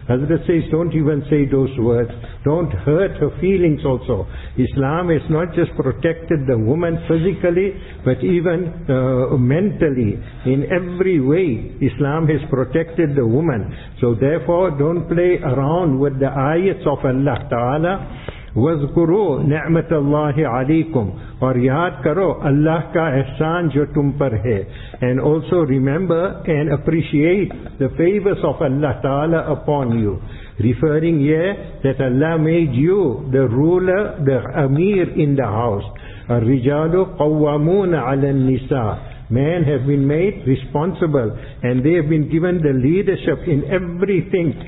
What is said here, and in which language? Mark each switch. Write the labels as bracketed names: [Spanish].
[English] Hazrat says, don't even say those words. Don't hurt her feelings also. Islam has not just protected the woman physically, but even mentally. In every way, Islam has protected the woman. So therefore, don't play around with the ayats of Allah Ta'ala. [Arabic] وَذْكُرُوا نِعْمَةَ اللَّهِ عَلَيْكُمْ [Urdu] اور یاد کرو اللہ کا احسان جو تم پر ہے. [English] And also remember and appreciate the favors of Allah Ta'ala upon you. Referring here that Allah made you the ruler, the amir in the house. [Arabic] الرِّجَالُ قَوَّمُونَ عَلَى النِّسَاءِ. [English] Men have been made responsible and they have been given the leadership in everything.